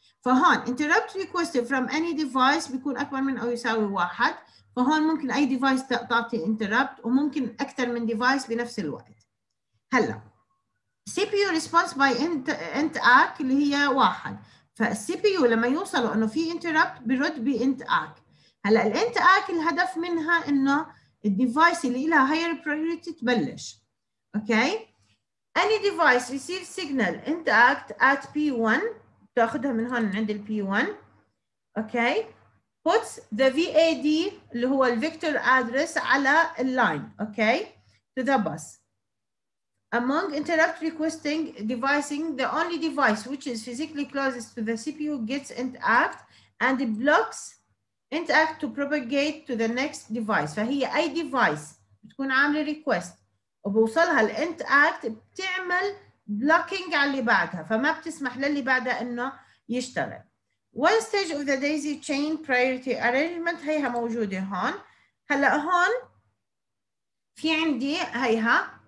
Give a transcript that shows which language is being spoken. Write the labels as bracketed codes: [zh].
[ar] فهون انتربت ريكوست فروم اني ديفايس بيكون اكبر من او يساوي 1، فهون ممكن اي ديفايس تعطي انتربت وممكن اكثر من ديفايس بنفس الوقت. هلا [en] CPU response by int ack [ar] اللي هي 1، فالCPU لما يوصلوا انه في interrupt بيرد ب int ack. هلا ال int ack الهدف منها انه ال device اللي لها [en] higher priority [ar] تبلش. [en] Okay? Any device receive signal int ack at P1 [ar] بتاخذها من هون عند ال P1. اوكي؟ [en] puts the VAD [ar] اللي هو ال [en] vector address [ar] على ال line. [en] Okay? to the bus. Among interrupt requesting devising, the only device which is physically closest to the CPU gets int act and it blocks int act to propagate to the next device. [ar] فهي أي device بتكون عاملة request وبوصلها ال int act بتعمل blocking على اللي بعدها، فما بتسمح للي بعدها إنه يشتغل. [en] One stage of the daisy chain priority arrangement [ar] هيها موجودة هون. هلا هون في عندي هيها